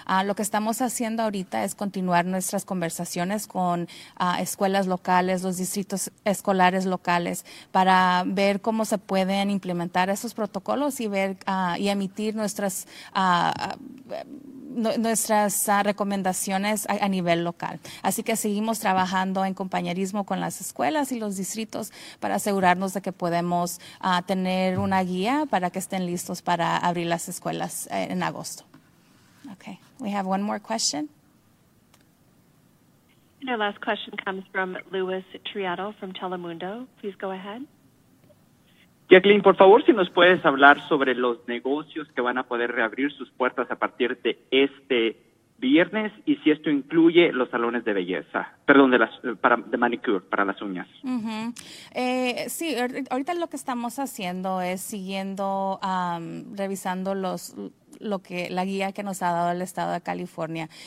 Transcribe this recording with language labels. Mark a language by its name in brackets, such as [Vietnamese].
[Spanish] Lo que estamos haciendo ahorita es continuar nuestras conversaciones con escuelas locales, los distritos escolares locales, para ver cómo se pueden implementar esos protocolos y ver y emitir nuestras recomendaciones a nivel local. Así que seguimos trabajando en compañerismo con las escuelas y los distritos para asegurarnos de que podemos tener una guía para que estén listos para abrir las escuelas en agosto. [English] Okay, we have one more question. And our last question comes from Luis Triado from Telemundo. Please go ahead. [Spanish] Jacqueline, por favor, si nos puedes hablar sobre los negocios que van a poder reabrir sus puertas a partir de este viernes y si esto incluye los salones de belleza, perdón, de manicure, para las uñas. Sí, ahorita lo que estamos haciendo es siguiendo, revisando los la guía que nos ha dado el estado de California.